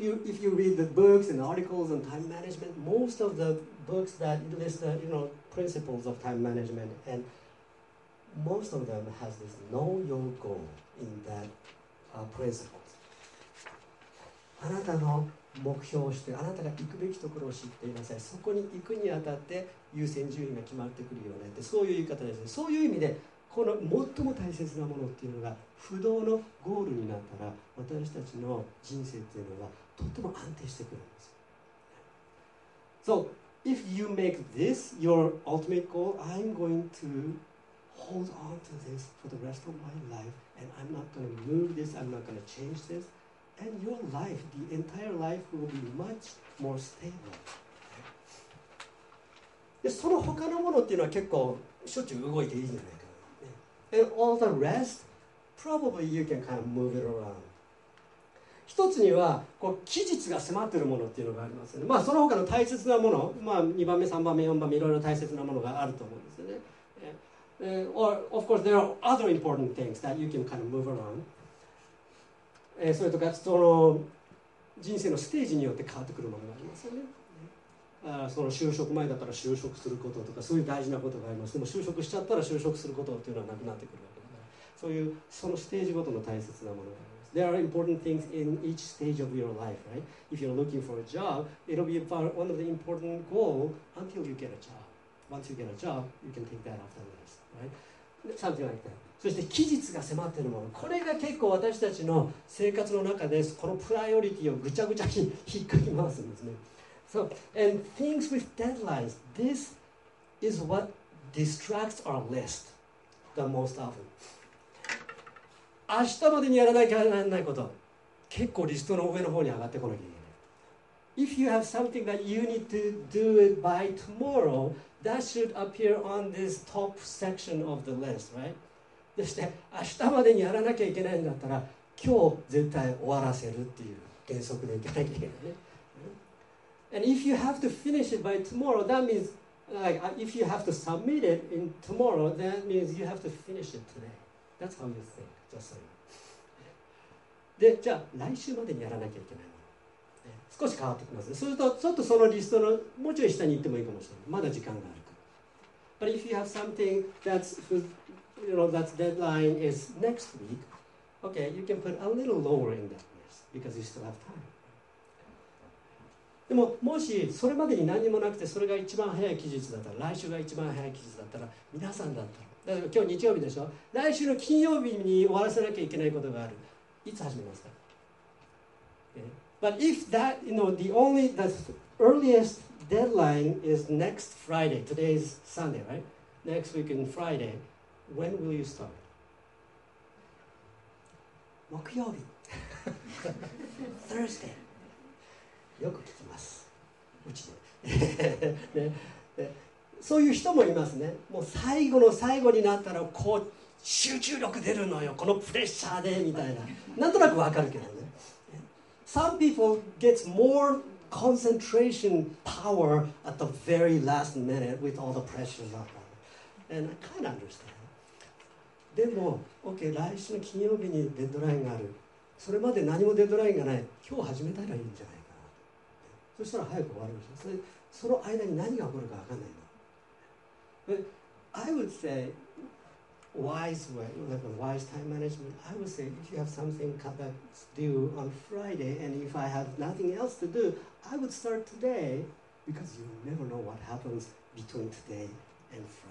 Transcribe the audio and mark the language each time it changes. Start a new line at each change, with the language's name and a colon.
English: You, if you read the books and articles on time management, most of the books that list the you know, principles of time management and most of them has this Know your goal in that、principles.
Japanese: あなたの目標をして、あなたが行くべきところを知っていなさい。そこに行くにあたって優先順位が決まってくるよねって、そういう言い方ですね。そういう意味でこの最も大切なものっていうのが不動のゴールになったら、私たちの人生っていうのはとっても安定してくるんです。
English: So if you make this your ultimate goal, I'm going to hold on to this for the rest of my life and I'm not going to move this, I'm not going to change thisAnd your life, the entire life, will be much more stable.
Japanese: でその他のものっていうのは結構しょっちゅう動いていいんじゃないかな。
English: And all the rest, probably you can kind of move it around.
Japanese: 一つにはこう期日が迫ってるものっていうのがありますよね。まあその他の大切なもの、まあ2番目、3番目、4番目、いろいろ大切なものがあると思うんですよね。
English: Or of course there are other important things that you can kind of move around.
Japanese: それとかその人生のステージによって変わってくるものがありますよね。その就職前だったら就職することとか、そういう大事なことがあります。でも就職しちゃったら就職することっていうのはなくなってくるわけだから、そういうそのステージごとの大切なものがあります。
English: There are important things in each stage of your life, right? If you're looking for a job, it'll be one of the important goal until you get a job. Once you get a job, you can take that off the list, right? Something like that.
Japanese: そして期日が迫っているもの、これが結構私たちの生活の中でこのプライオリティをぐちゃぐちゃに引っかき回すんですね。
English: So, and things with deadlines, this is what distracts our list the most often.
Japanese: 明日までにやらなきゃならないこと、結構リストの上の方に上がってこなきゃいけない。
English: If you have something that you need to do it by tomorrow, that should appear on this top section of the list, right?
Japanese: そして明日までにやらなきゃいけないんだったら今日絶対終わらせるっていう原則でいかなきゃいけないね。
English: And if you have to finish it by tomorrow, that means like if you have to submit it in tomorrow, that means you have to finish it today. That's how you think. Just so you know.
Japanese: でじゃあ来週までにやらなきゃいけないもの、少し変わってきますね。するとちょっとそのリストのもうちょい下に行ってもいいかもしれない。まだ時間があるから。
English: But if you have something that's for,You know, that deadline is next week. Okay, you can put a little lower in that list because you still have time.
Japanese: でももしそれまでに何もなくてそれが一番早い期日だったら、来週が一番早い期日だったら、皆さんだったら、だから今日日曜日でしょ、来週の金曜日に終わらせなきゃいけないことがある、いつ始めますか、
English: But if that, you know, the only, the earliest deadline is next Friday. Today is Sunday, right? Next week in Friday. When will you start?
Japanese: 木曜日。Thursday。 よく聞きます。うちで。ね、そういう人もいますね。もう最後の最後になったらこう集中力出るのよ、このプレッシャーでみたいな。なんとなくわかるけどね。
English: Some people get more concentration power at the very last minute with all the pressures on them. And I kind of understand.
Japanese: でも、OK、来週の金曜日にデッドラインがある。それまで何もデッドラインがない。今日始めたらいいんじゃないかな。そしたら早く終わりましょう。その間に何が起こるか分かんないの。
English: But、I would say, wise way, like a wise time management, I would say, if you have something that's due on Friday, and if I have nothing else to do, I would start today, because you never know what happens between today and Friday.